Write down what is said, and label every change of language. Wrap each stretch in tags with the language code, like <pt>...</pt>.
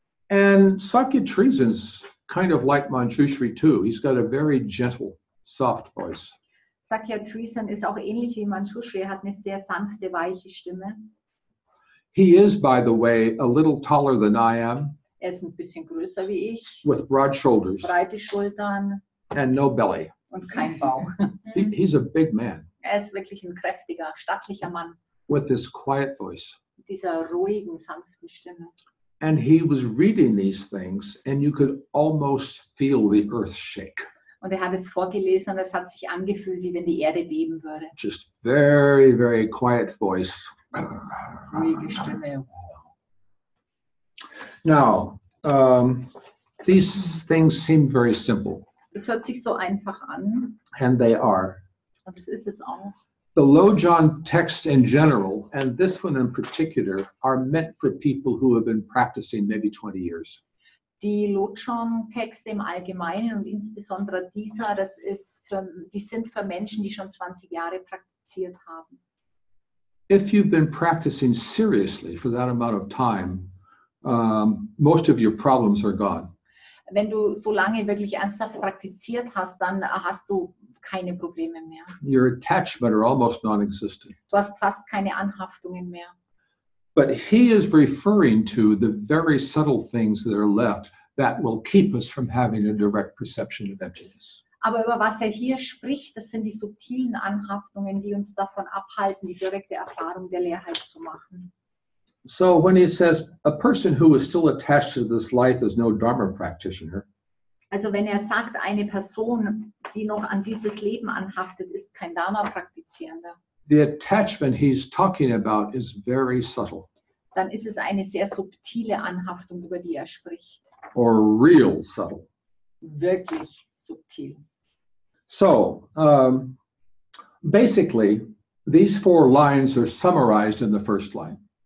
<en>And Sakya Treason's kind of like Manjushri too. He's got a very gentle, soft voice.</en> <de>Sakya Treason ist auch ähnlich wie Manjushri, hat eine sehr sanfte, weiche Stimme.</de> <en>He is, by the way, a little taller than I am.</en> <de>Er ist ein bisschen größer wie ich.</de> <en>With broad shoulders.</en> <de>Breite Schultern.</de> <en>And no belly.</en> <de>Und kein Bauch.</de> <en>He's a big man.</en> <de>Er ist wirklich ein kräftiger, stattlicher Mann.</de> <en>With this quiet voice.</en> <de>Dieser ruhigen, sanften Stimme.</de> <en>And he was reading these things and you could almost feel the earth shake.</en> <de>Und er hat es vorgelesen und es hat sich angefühlt, wie wenn die Erde beben würde.</de> <en>Just very, very quiet voice.</en> <de>Ruhige Stimme.</de> <en>Now, these things seem very simple.</en> <de>Das hört sich so einfach an.</de> <en>And they are.</en> <de>Und das ist es auch.</de> <en>The Lojong texts in general, and this one in particular, are meant for people who have been practicing maybe 20 years.</en> <de>Die Lojong-Texte im Allgemeinen und insbesondere dieser, das ist für, die sind für Menschen, die schon 20 Jahre praktiziert haben.</de> <en>If you've been practicing seriously for that amount of time, most of your problems are gone.</en> <de>Wenn du so lange wirklich ernsthaft praktiziert hast, dann hast du keine Probleme mehr.</de> <en>Your attachment are almost non-existent.</en> <de>Du hast fast keine Anhaftungen mehr.</de> <en>But he is referring to the very subtle things that are left that will keep us from having a direct perception of emptiness.</en> <de>Aber über was er hier spricht, das sind die subtilen Anhaftungen, die uns davon abhalten, die direkte Erfahrung der Leerheit zu machen.</de> <en>So when he says a person who is still attached to this life is no Dharma practitioner.</en> <de>Also wenn er sagt, eine Person, die noch an dieses Leben anhaftet, ist kein Dharma praktizierender.</de> <en>The attachment he's talking about is very subtle.</en> <de>Dann ist es eine sehr subtile Anhaftung, über die er spricht.</de> <en>Or real subtle.</en> <de>Wirklich subtil.</de> <en>So, basically, these four lines are summarized in the first line.</en>